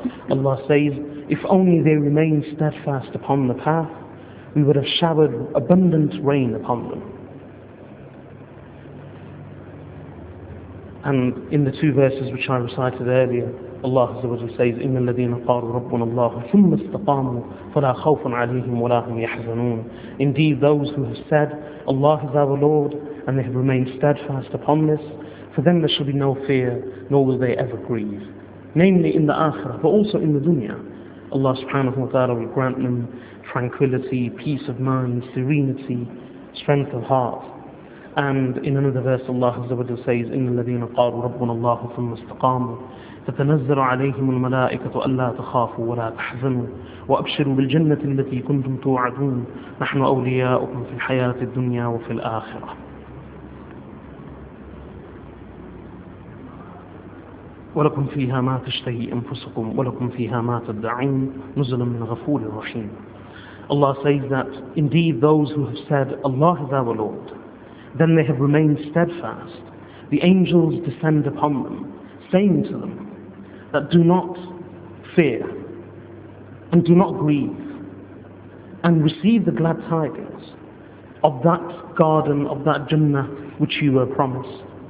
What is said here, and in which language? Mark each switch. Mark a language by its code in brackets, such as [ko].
[en] Allah says, if only they remained steadfast upon the path, we would have showered abundant rain upon them. And in the two verses which I recited earlier, Allah says, [ar] إِنَّ الَّذِينَ قَالُوا رَبُّنَ اللَّهُ ثُمَّ اسْتَقَامُوا فَلَا خَوْفٌ عَلَيْهِمْ وَلَا هُمْ يَحْزَنُونَ. [en] Indeed, those who have said, Allah is our Lord, and they have remained steadfast upon this, for them there shall be no fear, nor will they ever grieve. Namely in the Akhirah, but also in the dunya, Allah subhanahu wa ta'ala will grant them tranquility, peace of mind, serenity, strength of heart. And in another verse, Allah says, [ar] إِنَّ الَّذِينَ قَالُوا رَبُّنَ اللَّهُ ثُمَّ اسْتَقَامُوا فَتَنَزَّلُ عَلَيْهِمُ الْمَلَائِكَةُ أَلَّا تَخَافُوا وَلَا تَحْزَنُوا وَأَبْشِرُوا بِالْجَنَّةِ الَّتِي كُنْتُمْ تُوعَدُونَ نَحْنُ أَوْلِيَاؤُكُمْ فِي الْحَيَاةِ الدُّنْيَا وَفِي الْآخِرَةِ وَلَكُمْ فِيهَا مَا تَشْتَهِي أَنفُسُكُمْ وَلَكُمْ فِيهَا مَا تَدَّعُونَ نُزُلًا مِّن غَفُورٍ رَّحِيمٍ. [en] Allah says that indeed those who have said Allah is our Lord, then they have remained steadfast, the angels descend upon them, saying to them, that do not fear, and do not grieve, and receive the glad tidings of that garden, of that Jannah which you were promised.